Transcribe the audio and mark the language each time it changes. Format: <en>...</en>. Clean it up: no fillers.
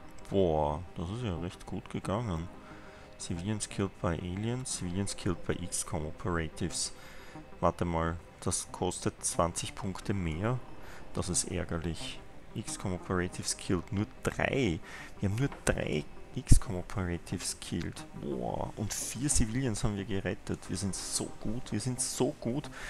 <de>Boah, das ist ja recht gut gegangen.</de> <en>Civilians killed by aliens, civilians killed by XCOM operatives.</en> <de>Warte mal, das kostet 20 Punkte mehr. Das ist ärgerlich. XCOM operatives killed nur 3. Wir haben nur 3 XCOM operatives killed. Boah, und 4 civilians haben wir gerettet. Wir sind so gut, wir sind so gut.</de>